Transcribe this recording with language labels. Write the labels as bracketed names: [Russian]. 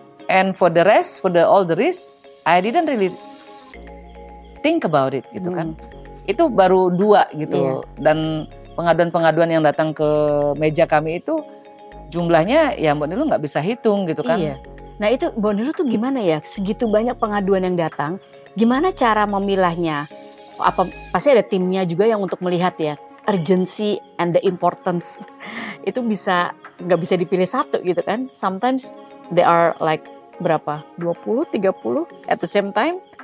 [English] And for the rest, for the all the rest, I didn't really think about it, [Indonesian] gitu kan. Itu baru dua gitu. Dan pengaduan-pengaduan yang datang ke meja kami itu jumlahnya ya Mbok NILUH nggak bisa hitung gitu kan. Nah itu Mbok NILUH tuh gimana ya, segitu banyak pengaduan yang datang, gimana cara memilahnya? Apa pasti ada timnya juga yang untuk melihat ya [English] urgency and the importance [Indonesian] itu bisa nggak bisa dipilih satu gitu kan? [English] Sometimes there are like berapa 20, 30 at the same time.